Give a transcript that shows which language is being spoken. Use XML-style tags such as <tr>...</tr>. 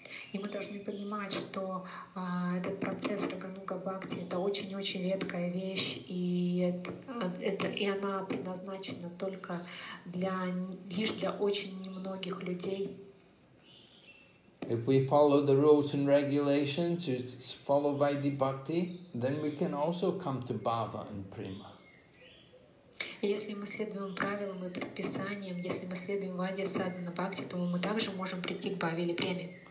<ru>И мы должны понимать, что этот процесс Рага Нуга Бхакти — это очень-очень редкая вещь, и она предназначена только лишь для очень немногих людей.</ru> <en>If we follow the rules and regulations, follow Vaidhi Bhakti, then we can also come to Bhava and Prema.</en> <ru>Если мы следуем правилам и предписаниям, если мы следуем Вайди Садхана Бхакти, то мы также можем прийти к Бхаве или Преме.</ru>